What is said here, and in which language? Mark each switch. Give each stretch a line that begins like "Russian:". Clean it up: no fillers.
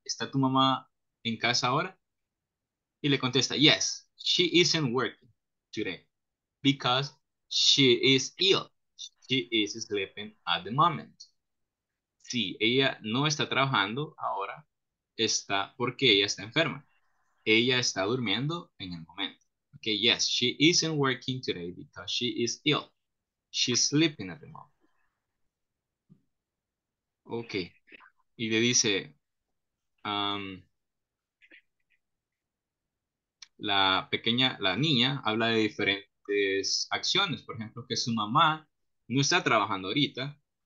Spanish: ¿Está tu mamá en casa ahora? Y le contesta,
English: yes, she isn't working today because she is ill. She is sleeping at the moment.
Spanish: Sí, ella no está trabajando ahora, está porque ella está enferma. Ella está durmiendo en el momento.
English: Ok, yes, she isn't working today because she is ill. She's sleeping at the moment. Ok.
Spanish: Y le dice, la niña habla de diferentes acciones. Por ejemplo, que su mamá no está trabajando ahorita,